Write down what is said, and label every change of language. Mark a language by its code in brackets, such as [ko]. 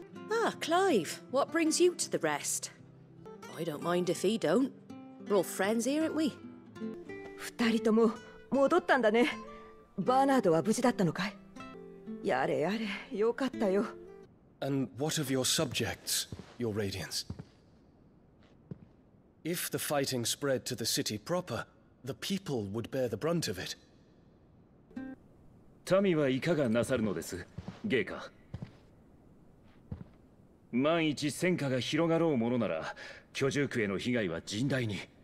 [en] Ah, Clive, what brings you to the rest? I don't mind if he don't. We're all friends here, aren't we? [ja] 二人とも戻ったんだね。バーナードは無事だったのかい？やれやれ、よかったよ。 [en] And what of your subjects, your radiance? If the fighting spread to the city proper, the people would bear the brunt of it. [ja] 民はいかがなさるのです、ゲーカ。万一戦火が広がろうものなら、居住区への被害は甚大に。